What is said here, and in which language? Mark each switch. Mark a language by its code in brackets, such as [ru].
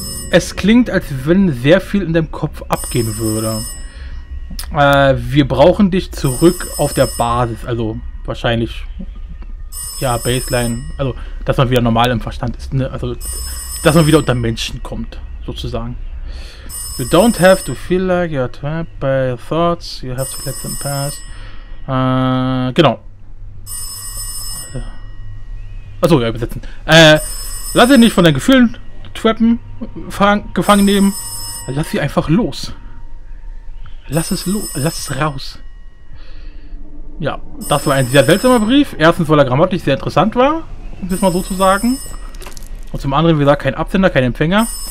[de] Es klingt, als wenn sehr viel in deinem Kopf abgehen würde. Wir brauchen dich zurück auf der Basis, also wahrscheinlich, ja, Baseline, also, dass man wieder normal im Verstand ist, ne? Also, dass man wieder unter Menschen kommt, sozusagen. [en] You don't have to feel like you're trapped by your thoughts, you have to let them pass. [de] Genau. Achso, ja, übersetzen. Lass dich nicht von deinen Gefühlen trappen, gefangen nehmen, lass sie einfach los. Lass es raus. Ja, das war ein sehr seltsamer Brief. Erstens, weil er grammatisch sehr interessant war, um es mal so zu sagen. Und zum anderen, wie gesagt, kein Absender, kein Empfänger.